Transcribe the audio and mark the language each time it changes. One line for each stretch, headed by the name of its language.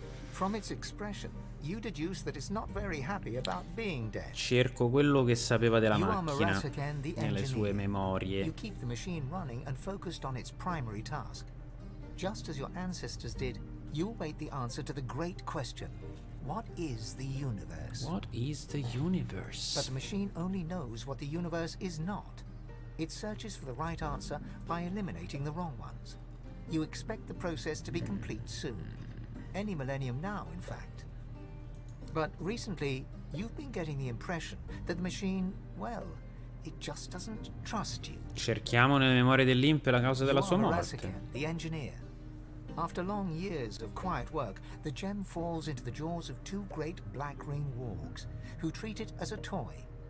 English: From its expression, you deduce that it's not very happy about being dead.
Italian: Cerco quello che sapeva della macchina nelle sue memorie.
English: You keep the machine running and focused on its primary task. Just as your ancestors did, you await the answer to the great question. What is the universe? What is the universe? But the machine only knows what the universe is not. It searches for the right answer by eliminating the wrong ones. You expect the process to be complete soon. Any millennium now, in fact. But recently, you've been getting the impression that the machine, well, it just doesn't trust you.
Italian: Cerchiamo nelle memorie dell'Imp la causa della sua morte.
English: The engineer. After long years of quiet work, the gem falls into the jaws of two great black ring wargs, who treat it as a toy.